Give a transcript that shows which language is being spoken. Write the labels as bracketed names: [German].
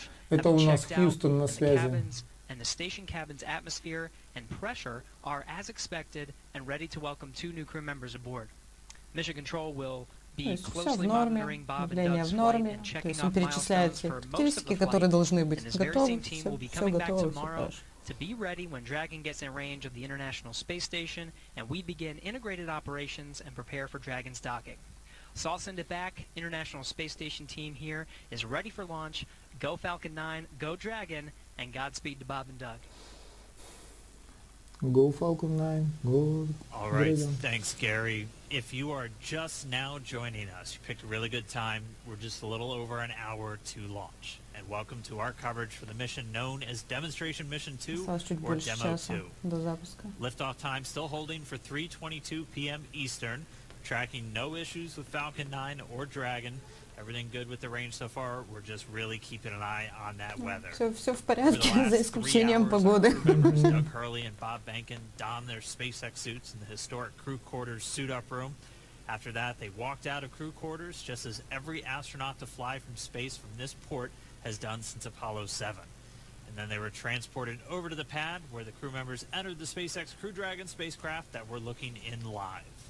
[Russian] Это у нас Хьюстон на связи. [English] And the station cabin's atmosphere and pressure are as expected and ready to welcome two new crew members aboard. Mission Control will be closely monitoring Bob and Doug's flight and checking on milestones for most of the flight. And his very same team will be coming back tomorrow to be ready when Dragon gets in range of the International Space Station and we begin integrated operations and prepare for Dragon's docking. So I'll send it back. International Space Station team here is ready for launch. Go Falcon 9, go Dragon. And Godspeed to Bob and Doug. Go Falcon 9. Go. All right. Dragon. Thanks, Gary. If you are just now joining us, you picked a really good time. We're just a little over an hour to launch. And welcome to our coverage for the mission known as Demonstration Mission 2 or Demo-2. Liftoff time still holding for 3:22 p.m. Eastern. Tracking no issues with Falcon 9 or Dragon. Everything good with the range so far. We're just really keeping an eye on that weather. [Russian] Все в порядке, за исключением погоды. [English] Doug Hurley and Bob Behnken donned their SpaceX suits in the historic crew quarters suit-up room. After that, they walked out of crew quarters, just as every astronaut to fly from space from this port has done since Apollo 7. And then they were transported over to the pad, where the crew members entered the SpaceX Crew Dragon spacecraft that we're looking in live.